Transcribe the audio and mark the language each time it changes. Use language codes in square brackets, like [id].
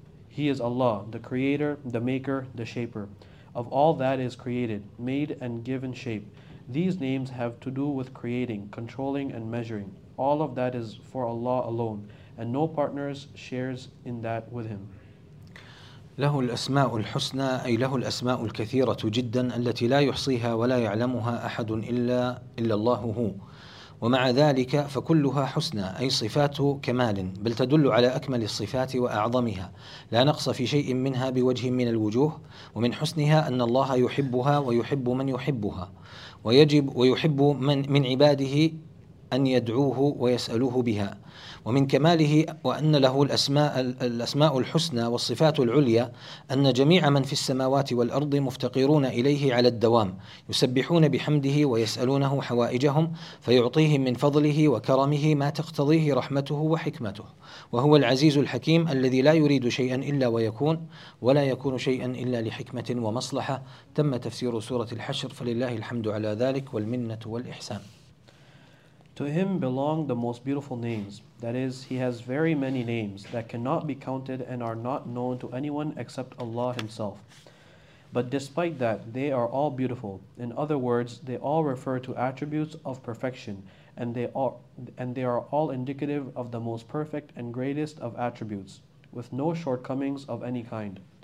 [en] He is Allah, the creator, the maker, the shaper of all that is created, made and given shape. These names have to do with creating, controlling and measuring. All of that is for Allah alone, and no partners shares in that with him. [ar] له الأسماء الحسنى أي له الأسماء الكثيرة جدا التي لا يحصيها ولا يعلمها أحد إلا الله هو. ومع ذلك فكلها حسنى أي صفات كمال، بل تدل على أكمل الصفات وأعظمها، لا نقص في شيء منها بوجه من الوجوه. ومن حسنها أن الله يحبها ويحب من يحبها، ويجب ويحب من عباده أن يدعوه ويسألوه بها. ومن كماله وأن له الأسماء الحسنى والصفات العليا أن جميع من في السماوات والأرض مفتقرون إليه على الدوام، يسبحون بحمده ويسألونه حوائجهم، فيعطيهم من فضله وكرمه ما تقتضيه رحمته وحكمته، وهو العزيز الحكيم الذي لا يريد شيئا إلا ويكون، ولا يكون شيئا إلا لحكمة ومصلحة. تم تفسير سورة الحشر، فلله الحمد على ذلك والمنة والإحسان. [en] To him belong the most beautiful names, that is, he has very many names that cannot be counted and are not known to anyone except Allah himself. But despite that, they are all beautiful. In other words, they all refer to attributes of perfection, and they are all indicative of the most perfect and greatest of attributes, with no shortcomings of any kind.